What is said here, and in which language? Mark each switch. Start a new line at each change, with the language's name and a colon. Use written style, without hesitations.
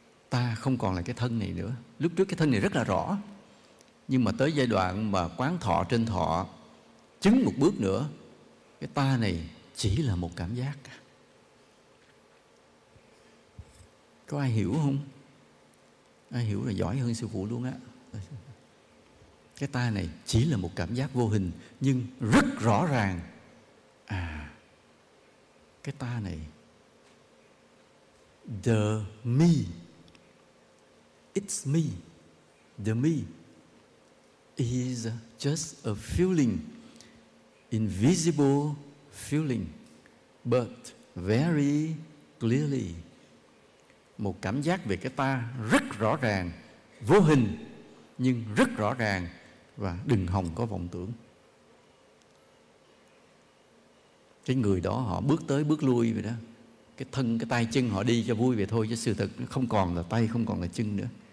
Vietnamese: Ta không còn là cái thân này nữa. Lúc trước cái thân này rất là rõ, nhưng mà tới giai đoạn mà quán thọ trên thọ, chứng một bước nữa, cái ta này chỉ là một cảm giác. Có ai hiểu không? Ai hiểu là giỏi hơn sư phụ luôn á. Cái ta này chỉ là một cảm giác vô hình, nhưng rất rõ ràng. À, cái ta này,
English: the me, it's me, the me is just a feeling, invisible feeling, but very clearly.
Vietnamese: Một cảm giác về cái ta rất rõ ràng, vô hình nhưng rất rõ ràng, và đừng hòng có vọng tưởng. Cái người đó họ bước tới bước lui vậy đó, cái thân cái tay chân họ đi cho vui vậy thôi, chứ sự thật không còn là tay, không còn là chân nữa.